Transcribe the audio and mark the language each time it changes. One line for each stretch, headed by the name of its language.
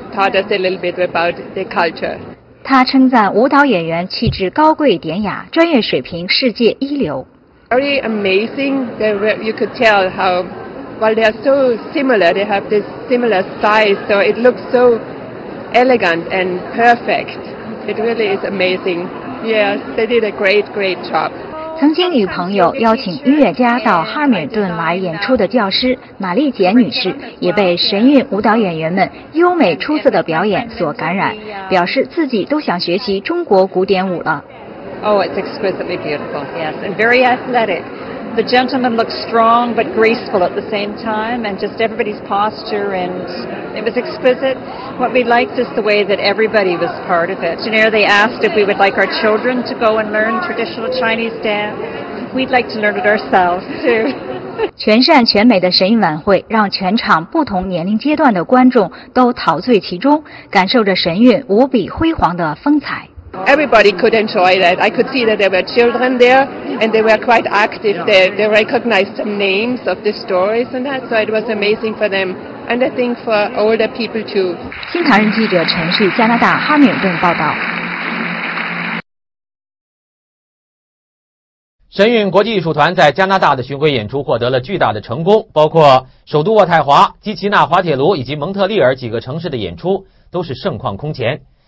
English: Taught us a little bit about the culture.
Chinese: 他称赞舞蹈演员气质高贵典雅，专业水平世界一流。
English: very amazing. You could tell how, well, they are so similar. They have this similar size, so it looks so elegant and perfect. It really is amazing. Yes, they did a great, great job.
Chinese: 曾经与朋友邀请音乐家到哈密尔顿来演出的教师玛丽简女士也被神韵舞蹈演员们优美出色的表演所感染，表示自己都想学习中国古典舞了。
English: Oh, it's exquisitely beautiful, yes, and very athletic. The gentleman looks strong but graceful at the same time, and just everybody's posture, and it was exquisite. What we liked is the way that everybody was part of it. You know, they asked if we would like our children to go and learn traditional Chinese dance. We'd like to learn it ourselves, too.
Chinese: 全善全美的神韵晚会让全场不同年龄阶段的观众都陶醉其中，感受着神韵无比辉煌的风采。
English: Everybody could enjoy that. I could see that there were children there, and they were quite active. They recognized some names of the stories and that, so it was amazing for them, and I think for older people too.
Chinese: 新唐人记者陈旭，加拿大哈密尔顿报道。神韵国际艺术团在加拿大的巡回演出获得了巨大的成功，包括首都渥太华、基奇纳、滑铁卢以及蒙特利尔几个城市的演出都是盛况空前。